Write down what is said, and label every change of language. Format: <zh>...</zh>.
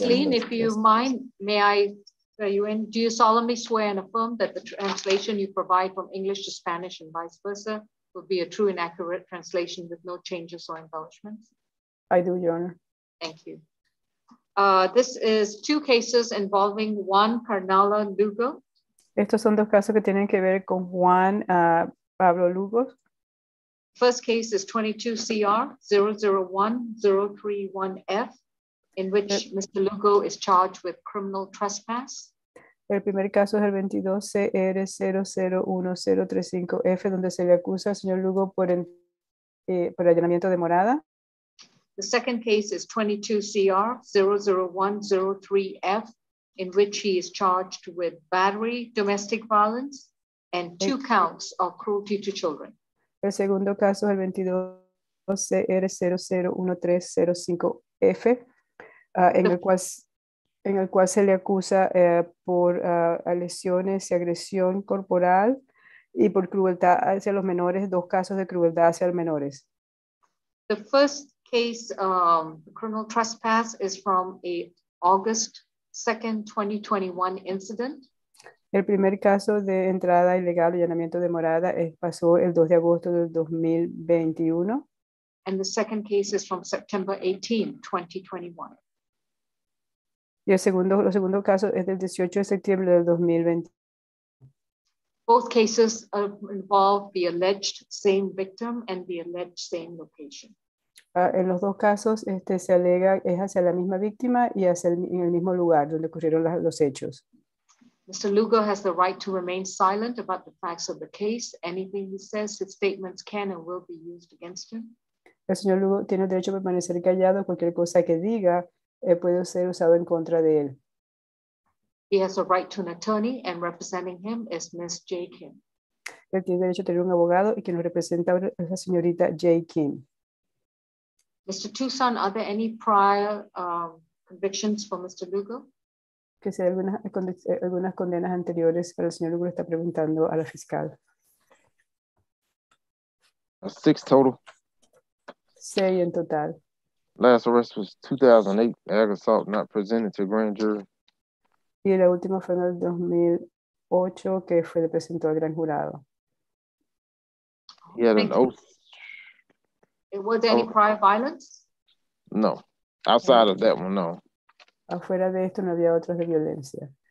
<en>Lean, if you mind, may I, do you solemnly swear and affirm that the translation you provide from English to Spanish and vice versa will be a true and accurate translation with no changes or embellishments? I do, Your Honor. Thank you. This is two cases involving Juan Carnala Lugo.</en> <es>Estos son dos casos que tienen que ver con Juan Pablo Lugo.</es> <en>First case is 22CR001031F, in which Mr. Lugo is charged with criminal trespass.</en> <es>El primer caso es el 22CR001035F, donde se le acusa al señor Lugo por allanamiento de morada.</es> <en>The second case is 22CR00103F, in which he is charged with battery, domestic violence, and two counts of cruelty to children.</en> <es>El segundo caso es el 22CR001305F, en el cual se le acusa por lesiones y agresión corporal y por crueldad hacia los menores, dos casos de crueldad hacia los menores.</es> <en>The first case, criminal trespass, is from a August 2nd, 2021 incident.</en> <es>El primer caso de entrada ilegal, allanamiento de morada, pasó el 2 de agosto del 2021.</es> <en>And the second case is from September 18, 2021.</en> <es>Y el segundo caso es del 18 de septiembre del 2021.</es> <en>Both cases involve the alleged same victim and the alleged same location.</en> <es>En los dos casos se alega es hacia la misma víctima y hacia en el mismo lugar donde ocurrieron los hechos.</es> <en>Mr. Lugo has the right to remain silent about the facts of the case. Anything he says, his statements can and will be used against him.</en> <es>El señor Lugo tiene el derecho a permanecer callado. Cualquier cosa que diga puede ser usado en contra de él.</es> <en>He has a right to an attorney, and representing him is Ms. J. Kim.</en> <es>Él tiene derecho a tener un abogado y quien lo representa es la señorita J. Kim.</es> <en>Mr. Tucson, are there any prior convictions for Mr. Lugo?</en> <es>Que si hay algunas condenas anteriores, pero el señor Lugo está preguntando a la fiscal.</es> <en>Six total.</en> <es>Seis en total.</es> <en>Last arrest was 2008, ag assault not presented to grand jury.</en> <es>Y la última fue en el 2008, que fue presentado al gran jurado.</es> <en>He had an oath. Was there any prior violence? No. Outside of that one, no.</en> <es>Afuera de esto no había otros de violencia.</es>